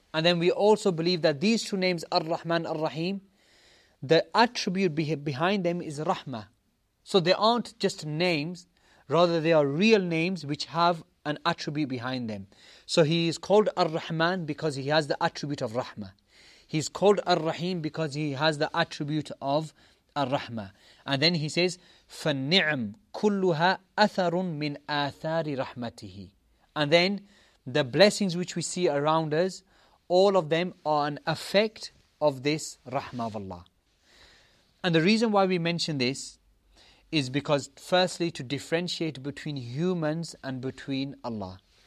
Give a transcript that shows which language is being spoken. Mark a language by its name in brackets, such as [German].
[English] And then we also believe that these two names, Ar-Rahman, Ar-Rahim, the attribute behind them is Rahmah. So they aren't just names, rather they are real names which have an attribute behind them. So he is called Ar-Rahman because he has the attribute of Rahmah. He's called Ar-Rahim because he has the attribute of Ar-Rahmah. And then he says, [Arabic] فَالنِّعْم كُلُّهَا أَثَرٌ مِنْ آثَارِ رَحْمَتِهِ. [English] And then the blessings which we see around us, all of them are an effect of this Rahmah of Allah. And the reason why we mention this is because firstly to differentiate between humans and between Allah.